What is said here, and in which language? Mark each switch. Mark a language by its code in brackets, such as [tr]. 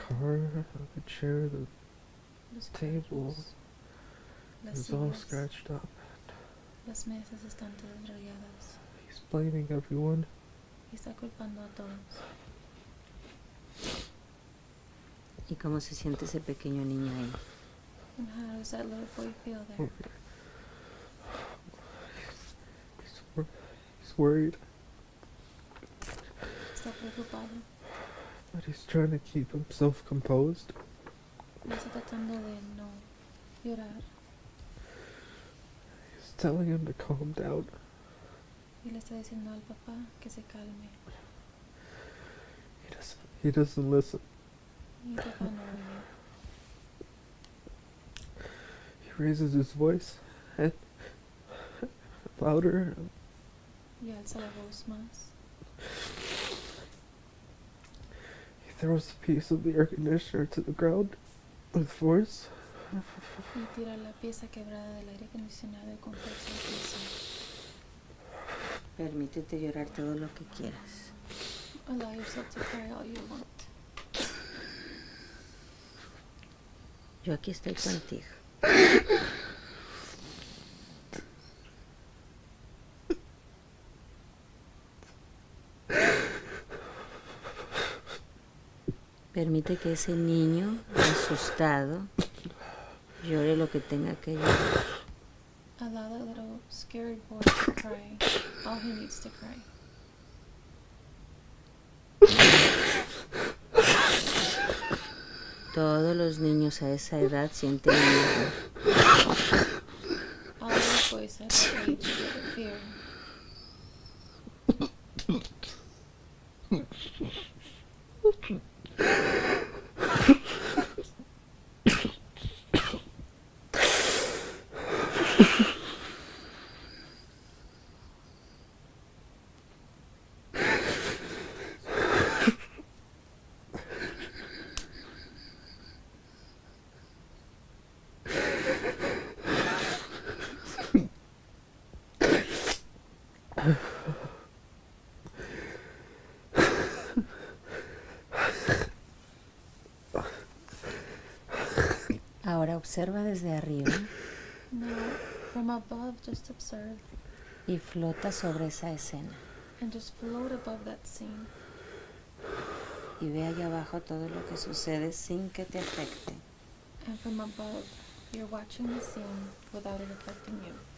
[en] The car, the chair, the... Los tables, it's all scratched up. [es] Las mesas están todas rayadas. [en] He's blaming everyone. [es] Y está culpando a todos. ¿Y cómo se siente ese pequeño niño ahí? [en] And how does that little boy feel there? He's worried. [es] Está preocupado. [en] But he's trying to keep himself composed. [es] Está tratando de no llorar. [en] He's telling him to calm down. [es] Y le está diciendo al papá que se calme. [en] He doesn't listen. [es] Y el papá no oye. [en] He raises his voice and louder. [es] Y alza la voz más. [en] He throws a piece of the air conditioner to the ground. With force. [es] Y tira la pieza quebrada del aire acondicionado con fuerza. Permítete llorar todo lo que quieras. [en] Allow yourself to cry all you want. [es] Yo aquí estoy contigo. Permite que ese niño asustado llore lo que tenga que llorar. [en] Allow that little scared boy to cry all he needs to cry. [es] Todos los niños a esa edad sienten miedo. [en] All the boys at that age get fear. Thank you. [es] Ahora observa desde arriba. [en] Now, from above, just observe. [es] Y flota sobre esa escena. [en] And just float above that scene. [es] Y ve allá abajo todo lo que sucede sin que te afecte. [en] And from above, you're watching the scene without it affecting you.